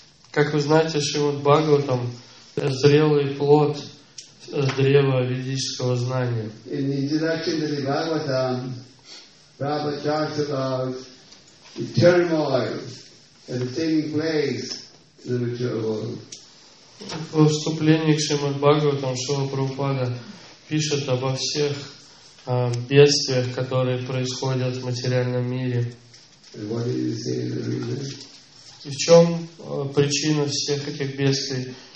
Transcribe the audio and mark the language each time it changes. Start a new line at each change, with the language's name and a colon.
Russian: Как вы знаете, Шримад Бхагаватам — зрелый плод с древа ведического знания.
English: In the introduction to the Bhagavatam, Prabhupada talks about the turmoil that is taking place
Russian: Во вступлении к Шримад Бхагаватам Шрила Прабхупада пишет обо всех бедствиях, которые происходят в материальном мире. И в чем причина всех этих бедствий?